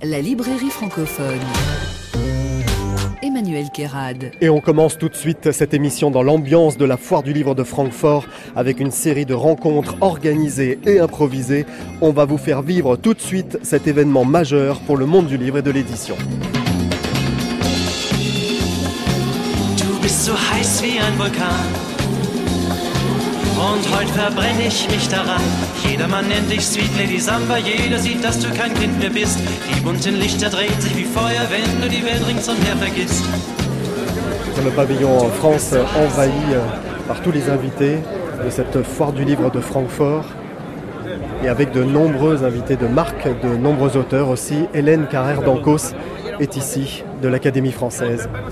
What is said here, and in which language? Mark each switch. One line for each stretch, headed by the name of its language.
French: La librairie francophone. Emmanuel Kérad. Et on commence tout de suite cette émission dans l'ambiance de la Foire du Livre de Francfort avec une série de rencontres organisées et improvisées. On va vous faire vivre tout de suite cet événement majeur pour le monde du livre et de l'édition.
German: Du bist so heiß wie ein Vulkan. Und heute verbrenne ich mich daran. Jedermann nennt dich Sweet Lady Samba. Jeder sieht, dass du kein Kind mehr bist. Die bunten Lichter drehen sich wie Feuer, wenn du die Welt ringsumher vergisst.
French: Le pavillon en France envahi par tous les invités de cette Foire du Livre de Francfort. Et avec de nombreux invités de marque, de nombreux auteurs aussi. Hélène Carrère-Dancos est ici, de l'Académie française.